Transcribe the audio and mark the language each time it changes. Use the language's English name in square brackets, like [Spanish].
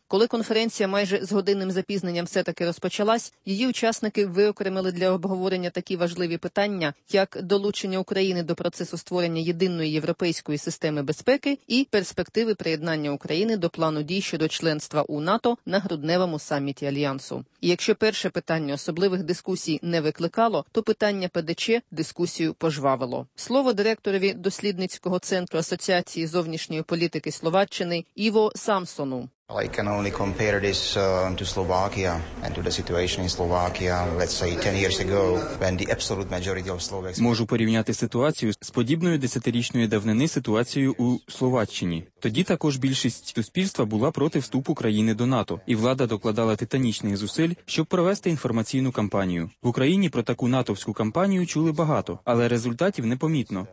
[Ukrainian] Коли конференція майже з годинним запізненням все-таки розпочалась, її учасники виокремили для обговорення такі важливі питання, як долучення України до процесу створення єдиної європейської системи безпеки і перспективи приєднання України до плану дій щодо членства у НАТО на грудневому саміті Альянсу. І якщо перше питання особливих дискусій не викликало, то питання ПДЧ дискусію пожвавило. Слово директорові дослідницького центру Асоціації зовнішньої політики Словаччини Іво Самсону. [English] I can only compare this to Slovakia and to the situation in Slovakia, let's say 10 years ago, when the absolute majority of Slovaks... [Ukrainian] Можу порівняти ситуацію з подібною десятирічною давнини ситуацією у Словаччині. Тоді також більшість суспільства була проти вступу країни до НАТО, і влада докладала титанічних зусиль, щоб провести інформаційну кампанію. В Україні про таку натовську кампанію чули багато, але результатів непомітно.